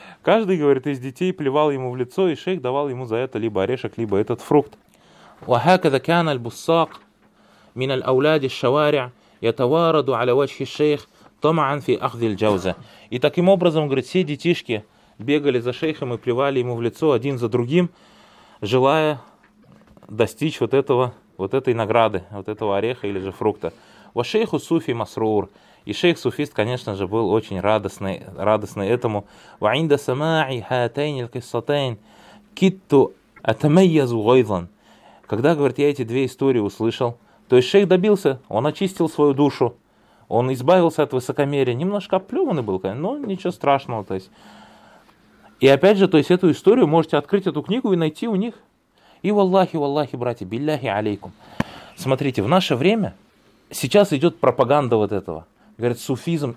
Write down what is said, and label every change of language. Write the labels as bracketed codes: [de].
[ru] Каждый, говорит, из детей плевал ему в лицо, и шейх давал ему за это либо орешек, либо этот фрукт. [ar] «Вахаказа кян аль-буссак». من الأولاد الشوارع يتوارد على وجه الشيخ طمعا في أخذ الجوزة. [ru] И таким образом, говорит, все детишки бегали за шейхом и плевали ему в лицо один за другим, желая достичь вот этого, вот этой награды, вот этого ореха или же фрукта. [ar] Во шейху суфи масрур. [ru] И шейх суфист, конечно же, был очень радостный этому. [ar] وعند سماعي هاتين القصتين كدت أتميز غيظا. [ru] Когда, говорит, я эти две истории услышал, то есть шейх добился, он очистил свою душу, он избавился от высокомерия. Немножко оплеванный был, конечно, но ничего страшного. То есть. И опять же, то есть эту историю можете открыть эту книгу и найти у них. И валлахи, валлахи, братья, [ar] билляхи алейкум. [ru] Смотрите, в наше время сейчас идет пропаганда вот этого. Говорят, суфизм.